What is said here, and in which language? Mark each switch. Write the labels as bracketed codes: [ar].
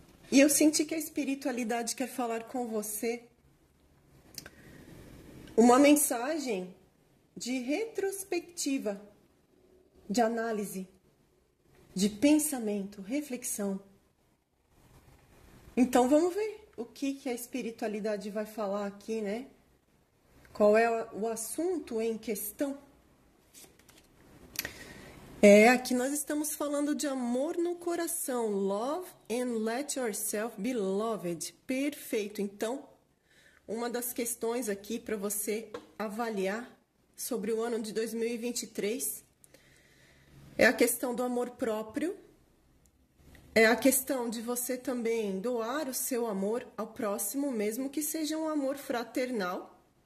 [pt] E eu senti que a espiritualidade quer falar com você uma mensagem de retrospectiva, de análise, de pensamento, reflexão. Então vamos ver o que que a espiritualidade vai falar aqui, né? Qual é o assunto em questão? É, aqui nós estamos falando de amor no coração. [en] Love and let yourself be loved. [pt] Perfeito. Então, uma das questões aqui para você avaliar sobre o ano de 2023 é a questão do amor próprio. É a questão de você também doar o seu amor ao próximo, mesmo que seja um amor fraternal.